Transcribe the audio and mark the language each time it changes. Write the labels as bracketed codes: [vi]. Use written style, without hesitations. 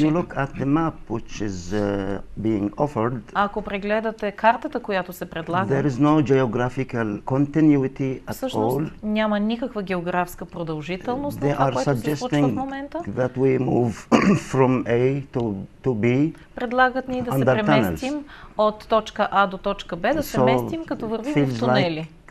[en] If you look at the map which is being offered, [bg] ако прегледате картата, която се предлага, [en] there is no geographical continuity at all. [bg] Няма никаква географска продължителност. [en] They are suggesting that we move from A to B. [bg] Предлагат ни да се преместим от точка А до точка Б, да се местим като вървим в тунели.